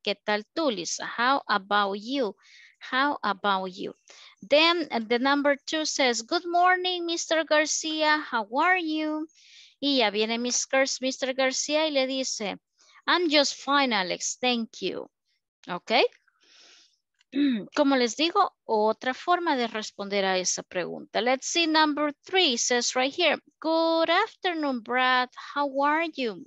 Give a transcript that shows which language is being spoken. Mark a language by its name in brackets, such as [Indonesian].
[Spanish] ¿Qué tal tú, [English] Lisa? How about you? How about you? Then the number two says, good morning, Mr. Garcia, how are you? [Spanish] Y ya viene Mr. Garcia y le dice, [English] I'm just fine, Alex, thank you. Ok. [Spanish] Como les digo, otra forma de responder a esa pregunta. [English] Let's see, number three says right here, good afternoon, Brad, how are you?